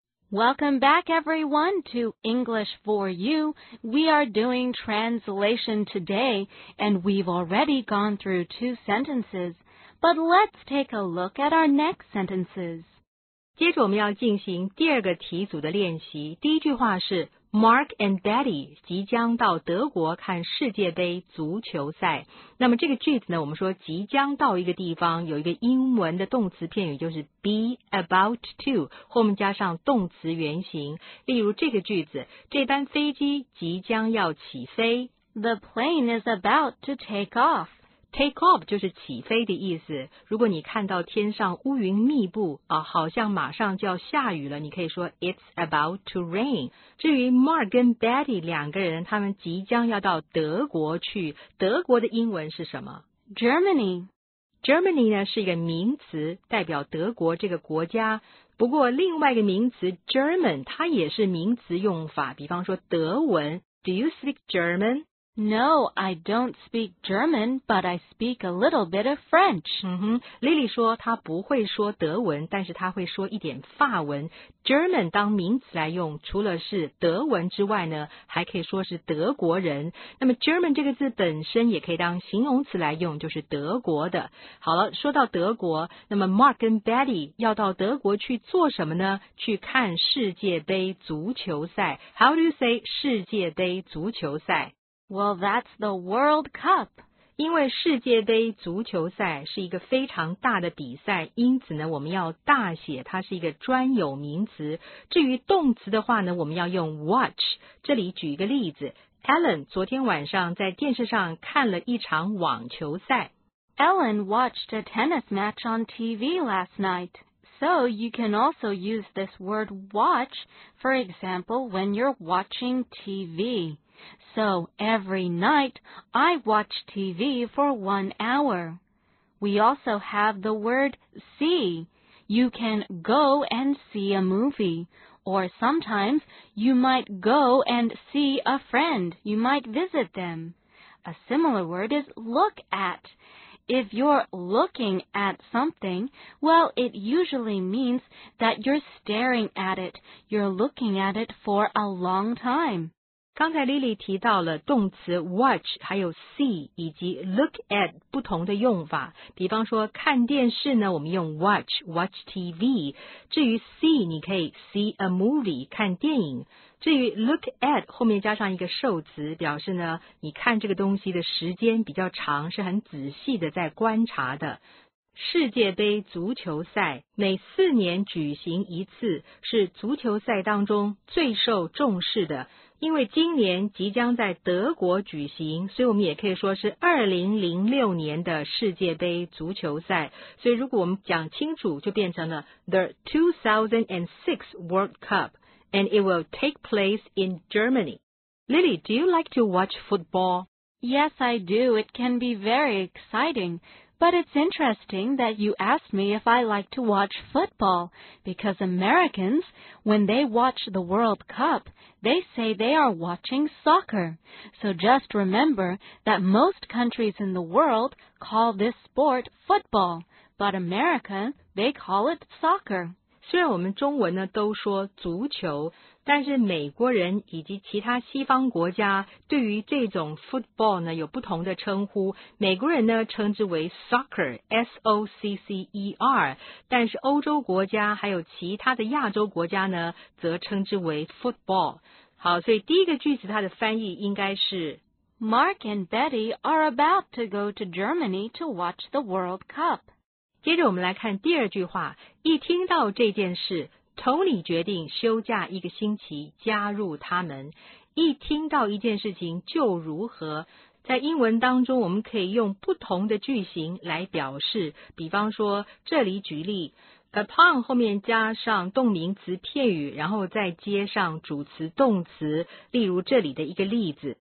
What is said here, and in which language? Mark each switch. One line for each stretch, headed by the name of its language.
English: Welcome back, everyone, to English for You. We are doing translation today, and we've already gone through two sentences. But let's take a look at our next sentences.
Chinese: 接着我们要进行第二个题组的练习。第一句话是 Mark and Betty 即将到德国看世界杯足球赛。那么这个句子呢，我们说即将到一个地方，有一个英文的动词片语就是 be about to, 后面加上动词原形。例如这个句子，这班飞机即将要起飞。
English: The plane is about to take off.
Chinese: Take off 就是起飞的意思。如果你看到天上乌云密布啊，好像马上就要下雨了，你可以说
English: It's about to rain.
Chinese: 至于 Mark 跟 Betty 两个人，他们即将要到德国去。德国的英文是什么？
English: Germany.
Chinese: Germany 呢是一个名词，代表德国这个国家。不过另外一个名词 German 它也是名词用法，比方说德文。
English: Do you speak German? No, I don't speak German, but I speak a little bit of French.
Chinese: Lily 说她不会说德文，但是她会说一点法文。 German 当名词来用，除了是德文之外呢，还可以说是德国人。那么 German 这个字本身也可以当形容词来用，就是德国的。好了，说到德国，那么 Mark 跟 Betty 要到德国去做什么呢？去看世界杯足球赛。
English: How do you say
Chinese: 世界杯足球赛？
English: Well, that's the World Cup.
Chinese: 因为世界杯足球赛是一个非常大的比赛，因此呢，我们要大写，它是一个专有名词。至于动词的话呢，我们要用 watch。这里举一个例子 ，Ellen 昨天晚上在电视上看了一场网球赛。
English: Ellen watched a tennis match on TV last night. So you can also use this word watch, for example, when you're watching TV. So, every night, I watch TV for 1 hour. We also have the word see. You can go and see a movie. Or sometimes, you might go and see a friend. You might visit them. A similar word is look at. If you're looking at something, well, it usually means that you're staring at it. You're looking at it for a long time.
Chinese: 刚才 Lily 提到了动词 watch 还有 see 以及 look at 不同的用法，比方说看电视呢，我们用 watch TV， 至于 see 你可以
English: see a movie
Chinese: 看电影，至于 look at 后面加上一个受词，表示呢你看这个东西的时间比较长，是很仔细的在观察的。世界杯足球赛每四年举行一次，是足球赛当中最受重视的，因为今年即将在德国举行，所以我们也可以说是2006年的世界杯足球赛，所以如果我们讲清楚就变成了
English: The 2006 World Cup and it will take place in Germany. Lily, do you like to watch football? Yes, I do. It can be very exciting. But it's interesting that you asked me if I like to watch football, because Americans, when they watch the World Cup, they say they are watching soccer. So just remember that most countries in the world call this sport football, but America, they call it soccer.
Chinese: 虽然我们中文呢都说足球，但是美国人以及其他西方国家对于这种 football 呢有不同的称呼。美国人呢称之为 soccer, S-O-C-C-E-R, 但是欧洲国家还有其他的亚洲国家呢则称之为 football。好，所以第一个句子它的翻译应该是
English: Mark and Betty are about to go to Germany to watch the World Cup.
Chinese: 接着我们来看第二句话，一听到这件事 Tony 决定休假一个星期加入他们。一听到一件事情就如何，在英文当中我们可以用不同的句型来表示，比方说这里举例 upon 后面加上动名词片语，然后再接上主词动词，例如这里的一个例子